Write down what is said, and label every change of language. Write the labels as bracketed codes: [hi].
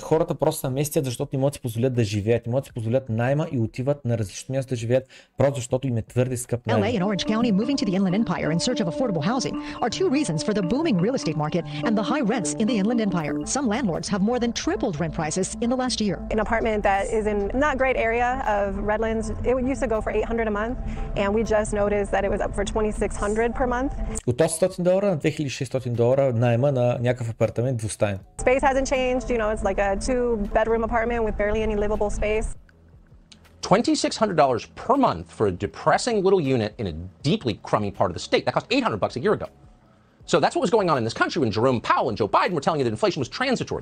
[bg] Хората просто се местят, защото не могат си позволят да живеят. Не могат си позволят найма и отиват на различно място да живеят, просто защото им е твърде скъп найма. [en] LA and Orange County moving to the Inland Empire in search of affordable housing are two reasons for the booming real estate market and the high rents in the Inland Empire. Some landlords have more than tripled rent prices in the last year. An apartment that is in not great area of Redlands, it used to go for $800 a month and we just noticed that it was up for $2,600 per month. [bg] От $800 на $2,600 найма на някакъв апартамент двустаен. [en] Space hasn't changed, you know, it's like a two bedroom apartment with barely any livable space. $2,600 per month for a depressing little unit in a deeply crummy part of the state. That cost $800 a year ago. So that's what was going on in this country when Jerome Powell and Joe Biden were telling you that inflation was transitory.